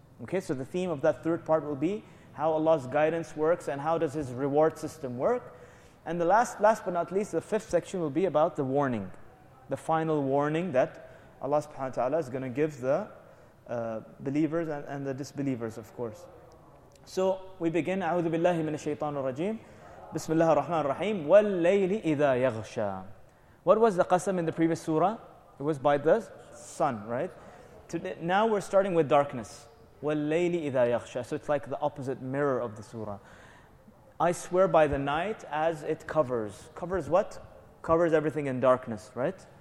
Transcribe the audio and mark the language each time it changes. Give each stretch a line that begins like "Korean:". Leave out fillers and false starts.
English: Okay, so the theme of that third part will be how Allah's guidance works and how does His reward system work. And the last but not least, the fifth section will be about the warning, the final warning that Allah subhanahu wa ta'ala is going to give the believers and the disbelievers, of course. So we begin,
Arabic: أعوذ بالله من الشيطان الرجيم بسم الله الرحمن الرحيم والليل إذا يغشى.
English: What was the qasam in the previous surah? It was by the sun, right? Today, now we're starting with darkness.
Arabic: والليل إذا يغشى.
English: So it's like the opposite mirror of the surah. I swear by the night as it covers. Covers what? Covers everything in darkness, right?